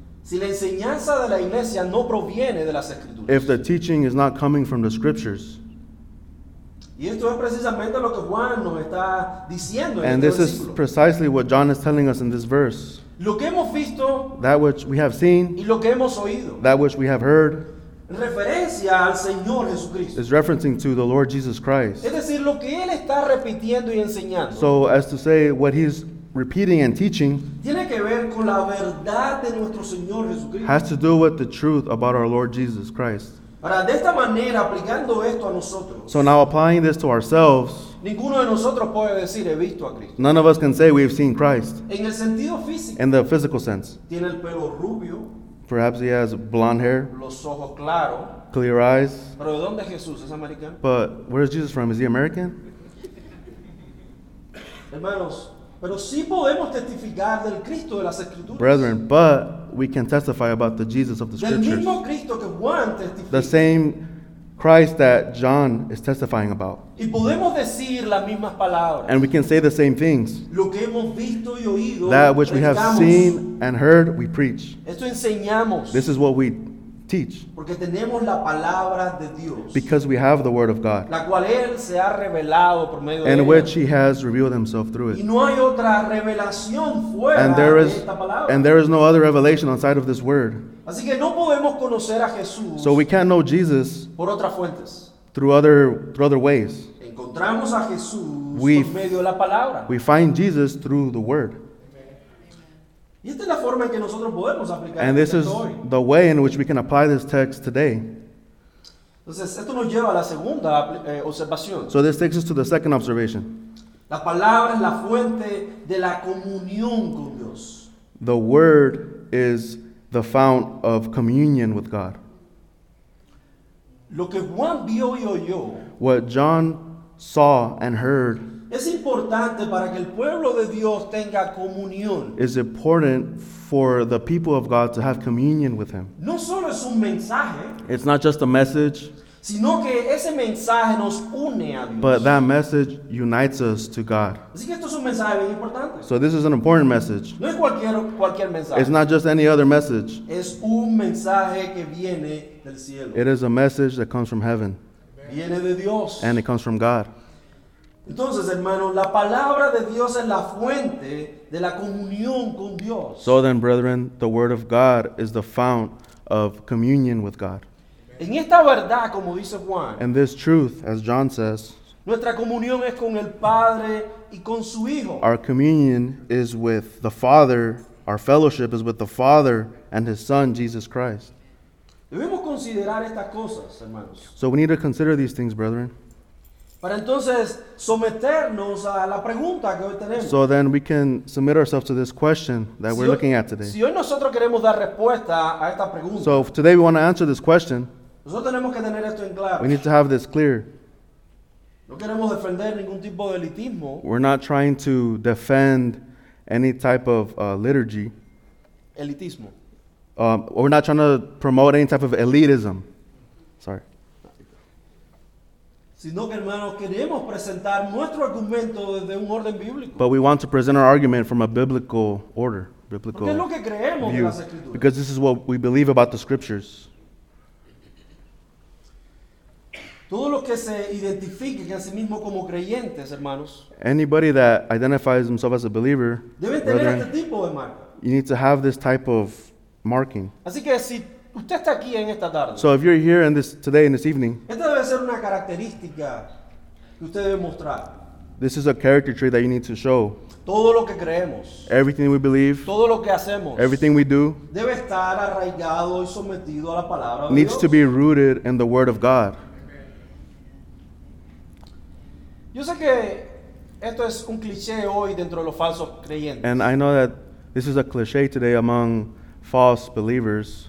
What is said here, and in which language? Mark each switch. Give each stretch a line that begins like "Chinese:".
Spanish: Si la enseñanza de la iglesia no proviene de las escrituras.
English: If the teaching is not coming from the scriptures.
Spanish: Y esto es precisamente lo que Juan nos está diciendo.
English: And this is precisely what John is telling us in this verse.
Spanish: Lo que hemos visto.
English: That which we have seen.
Spanish: Y lo que hemos oído.
English: That which we have heard.
Spanish: Referencia al Señor Jesucristo.
English: Is referencing to the Lord Jesus Christ.
Spanish: Es decir, lo que él está repitiendo y enseñando.
English: So as to say, what he's repeating and teaching.
Spanish: Tiene que ver con la verdad de nuestro Señor Jesucristo.
English: Has to do with the truth about our Lord Jesus Christ.
Spanish: Ahora, de esta manera, aplicando esto a nosotros,
English: so now applying this to ourselves,
Spanish: ninguno de nosotros puede decir, he visto a Cristo.
English: None of us can say we've seen Christ.
Spanish: En el sentido físico,
English: in the physical sense.
Spanish: Tiene el pelo rubio,
English: perhaps he has blonde hair,
Spanish: los ojos claros,
English: clear eyes.
Spanish: Pero ¿de dónde es Jesús? ¿Es americano?
English: But where is Jesus from? Is he American?
Spanish: Hermanos, pero sí podemos testificar del Cristo de las Escrituras.
English: Brethren, but we can testify about the Jesus of the Scriptures.
Spanish: Del mismo Cristo que Juan testifica.
English: The same Christ that John is testifying about.
Spanish: Y podemos decir las mismas palabras.
English: And we can say the same things.
Spanish: Lo que hemos visto y oído,
English: that which we have seen and heard, we preach.
Spanish: Esto enseñamos.
English: This is what we teach.
Spanish: Porque tenemos la palabra de Dios.
English: Because we have the Word of God.
Spanish: La cual él se ha revelado por medio de
English: él. In which he has revealed himself through it.
Spanish: Y no hay otra revelación fuera de esta palabra.
English: And there is no other revelation outside of this Word.
Spanish: Así que no podemos conocer a Jesús.
English: So we can't know Jesus.
Spanish: Por otras fuentes.
English: Through other ways.
Spanish: Encontramos a Jesús por medio de la palabra.
English: We find Jesus through the Word.
Spanish: Y esta es la forma en que nosotros podemos aplicar.
English: And this is the way in which we can apply this text today.
Spanish: Entonces, esto nos lleva a la segunda observación.
English: So this takes us to the second observation.
Spanish: La palabra es la fuente de la comunión con Dios.
English: The word is the fount of communion with God.
Spanish: Lo que Juan vio y oyó.
English: What John saw and heard.
Spanish: Es importante para que el pueblo de Dios tenga comunión.
English: Is important for the people of God to have communion with Him.
Spanish: No solo es un mensaje.
English: It's not just a message.
Spanish: Sino que ese mensaje nos une a Dios.
English: But that message unites us to God.
Spanish: Así que esto es un mensaje bien importante.
English: So this is an important message.
Spanish: No es cualquier mensaje.
English: It's not just any other message.
Spanish: Es un mensaje que viene del cielo.
English: It is a message that comes from heaven.
Spanish: Viene de Dios.
English: And it comes from God.
Spanish: Entonces, hermanos, la palabra de Dios es la fuente de la comunión con Dios.
English: So then, brethren, the word of God is the fount of communion with God.
Spanish: En esta verdad, como dice Juan.
English: In this truth, as John says.
Spanish: Nuestra comunión es con el Padre y con su Hijo.
English: Our communion is with the Father. Our fellowship is with the Father and His Son, Jesus Christ.
Spanish: Debemos considerar estas cosas, hermanos.
English: So we need to consider these things, brethren.
Spanish: Para entonces someternos a la pregunta que hoy tenemos.
English: So then we can submit ourselves to this question that we're looking at today.
Spanish: Si hoy nosotros queremos dar respuesta a esta pregunta.
English: So if today we want to answer this question.
Spanish: Nosotros tenemos que tener esto en claro.
English: We need to have this clear.
Spanish: No queremos defender ningún tipo de elitismo.
English: We're not trying to defend any type of liturgy.
Spanish: Elitismo.
English: We're not trying to promote any type of elitism. Sorry.
Spanish: Sino que, hermanos, queremos presentar nuestro argumento desde un orden bíblico.
English: But we want to present our argument from a biblical order, biblical
Spanish: Porque es lo que creemos
English: view,
Spanish: de las escrituras.
English: Because this is what we believe about the scriptures.
Spanish: Todos los que se identifiquen a sí mismos como creyentes, hermanos.
English: Anybody that identifies himself as a believer,
Spanish: deben tener
English: brethren,
Spanish: este tipo de marca.
English: You need to have this type of marking.
Spanish: Así que si usted está aquí en esta tarde.
English: So if you're here in this today in this evening.
Spanish: Esta debe ser una característica que usted debe mostrar.
English: This is a character trait that you need to show.
Spanish: Todo lo que creemos.
English: Everything we believe.
Spanish: Todo lo que hacemos.
English: Everything we do.
Spanish: Debe estar arraigado y sometido a la palabra de
English: needs
Spanish: Dios.
English: To be rooted in the Word of God.
Spanish: Yo sé que esto es un cliché hoy dentro de los falsos creyentes.
English: And I know that this is a cliché today among false believers.